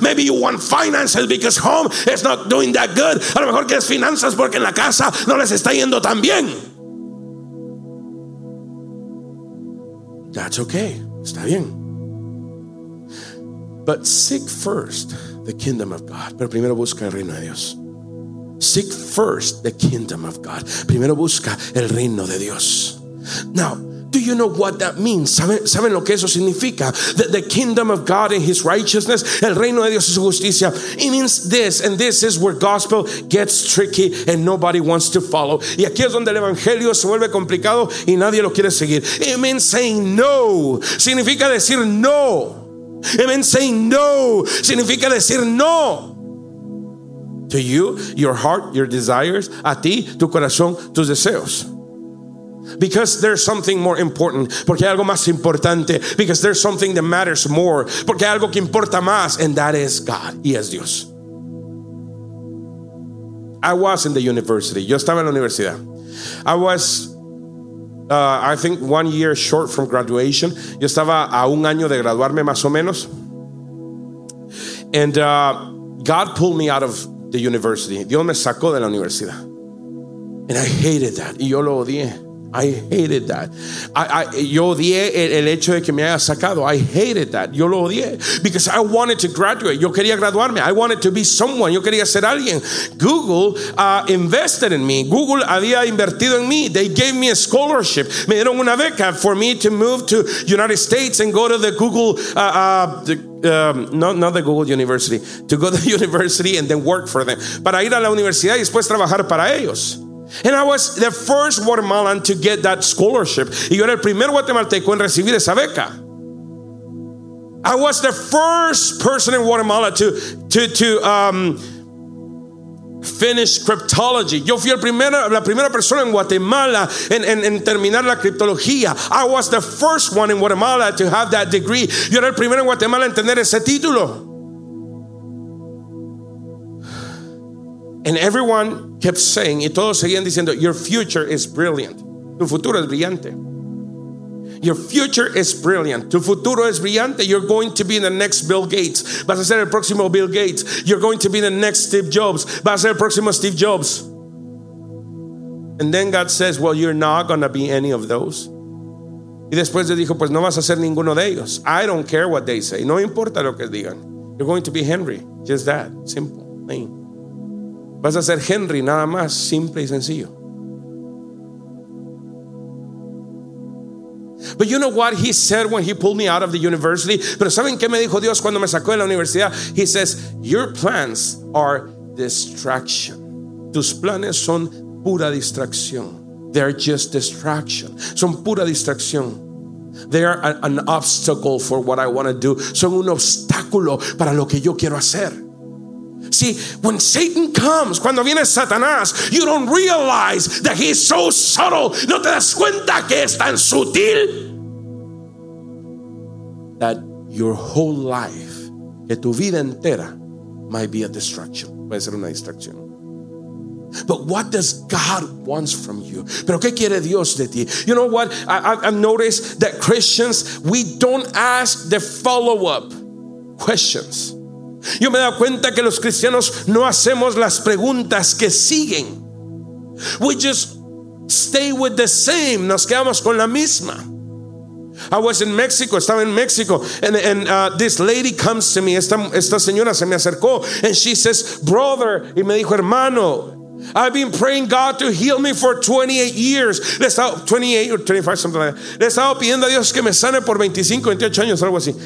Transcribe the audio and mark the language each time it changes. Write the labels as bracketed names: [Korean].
[English] Maybe you want finances because home is not doing that good. [Spanish] A lo mejor quieres finanzas porque en la casa no les está yendo tan bien. [English] That's okay. [Spanish] Está bien. [English] But seek first the kingdom of God. [Spanish] Pero primero busca el reino de Dios. [English] Seek first the kingdom of God. [Spanish] Primero busca el reino de Dios. [English] Now, do you know what that means? [Spanish] ¿Saben lo que eso significa? [English] The kingdom of God and his righteousness. [Spanish] El reino de Dios y su justicia. [English] It means this, and this is where gospel gets tricky and nobody wants to follow. [Spanish] Y aquí es donde el evangelio se vuelve complicado y nadie lo quiere seguir. [English] It means saying no. [Spanish] Significa decir no. [English] It means saying no. [Spanish] Significa decir no. [English] To you, your heart, your desires. [Spanish] A ti, tu corazón, tus deseos. [English] Because there's something more important. [Spanish] Porque hay algo más importante. [English] Because there's something that matters more. [Spanish] Porque hay algo que importa más. [English] And that is God. [Spanish] Y es Dios. [English] I was in the university. [Spanish] Yo estaba en la universidad. [English] I was, I think, 1 year short from graduation. [Spanish] Yo estaba a un año de graduarme, más o menos. [English] And God pulled me out of the university. [Spanish] Dios me sacó de la universidad. [English] And I hated that. [Spanish] Y yo lo odié. [English] I hated that. [Spanish] Yo odié el hecho de que me haya sacado. [English] I hated that. [Spanish] Yo lo odié. [English] Because I wanted to graduate. [Spanish] Yo quería graduarme. [English] I wanted to be someone. [Spanish] Yo quería ser alguien. [English] Google invested in me. [Spanish] Google había invertido en mí. [English] They gave me a scholarship. [Spanish] Me dieron una beca [English] for me to move to United States and go to the Google not the Google University. To go to the university and then work for them. [Spanish] Para ir a la universidad y después trabajar para ellos. [English] And I was the first Guatemalan to get that scholarship. [Spanish] Y yo era el primer guatemalteco en recibir esa beca. [English] I was the first person in Guatemala to finish cryptology. [Spanish] Yo fui la primera persona en Guatemala en terminar la criptología. [English] I was the first one in Guatemala to have that degree. [Spanish] Yo era el primero en Guatemala en tener ese título. [English] And everyone kept saying, [Spanish] y todos seguían diciendo, [English] your future is brilliant. [Spanish] Tu futuro es brillante. [English] Your future is brilliant. [Spanish] Tu futuro es brillante. [English] You're going to be the next Bill Gates. [Spanish] Vas a ser el próximo Bill Gates. [English] You're going to be the next Steve Jobs. [Spanish] Vas a ser el próximo Steve Jobs. [English] And then God says, well, you're not going to be any of those. [Spanish] Y después le dijo, pues no vas a ser ninguno de ellos. [English] I don't care what they say. [Spanish] No importa lo que digan. [English] You're going to be Henry. Just that. Simple. Plain. [Spanish] Vas a ser Henry, nada más. Simple y sencillo. [English] But you know what he said when he pulled me out of the university? [Spanish] Pero ¿saben qué me dijo Dios cuando me sacó de la universidad? [English] He says, your plans are distraction. [Spanish] Tus planes son pura distracción. [English] They're just distraction. [Spanish] Son pura distracción. [English] They are an obstacle for what I want to do. [Spanish] Son un obstáculo para lo que yo quiero hacer. [English] See, when Satan comes, [Spanish] cuando viene Satanás, [English] you don't realize that he's so subtle. [Spanish] No te das cuenta que es tan sutil. [English] That your whole life, [Spanish] que tu vida entera, [English] might be a distraction. [Spanish] Puede ser una distracción. [English] But what does God want from you? [Spanish] ¿Pero qué quiere Dios de ti? [English] You know what? I've noticed that Christians, we don't ask the follow-up questions. [Spanish] Yo me he dado cuenta que los cristianos no hacemos las preguntas que siguen. [English] We just stay with the same. [Spanish] Nos quedamos con la misma. [English] I was in Mexico. [Spanish] Estaba en México. [English] And this lady comes to me. [Spanish] Esta señora se me acercó. [English] And she says, brother. [Spanish] Y me dijo, hermano. [English] I've been praying God to heal me for 28 years. 28 or 25, something like that. [Spanish] Le estaba pidiendo a Dios que me sane por 25, 28 años, algo así.